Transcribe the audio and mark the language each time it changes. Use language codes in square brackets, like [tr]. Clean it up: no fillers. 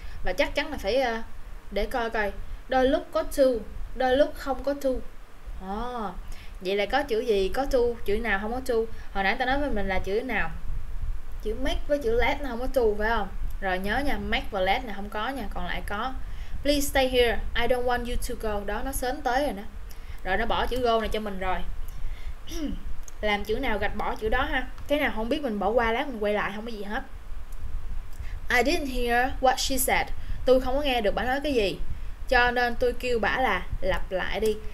[vi] Và chắc chắn là phải để coi coi. Đôi lúc có to, đôi lúc không có to. Vậy là có chữ gì có to, chữ nào không có to? Hồi nãy ta nói với mình là chữ nào? Chữ make với chữ let nó không có to phải không? Rồi nhớ nha, make và let là không có nha, còn lại có. [en] Please stay here, I don't want you to go. [vi] Đó, nó sến tới rồi đó. Rồi nó bỏ chữ go này cho mình rồi. Làm chữ nào gạch bỏ chữ đó ha. Cái nào không biết mình bỏ qua, lát mình quay lại, không có gì hết. [en] I didn't hear what she said. [vi] Tôi không có nghe được bà nói cái gì. Cho nên tôi kêu bà là lặp lại đi.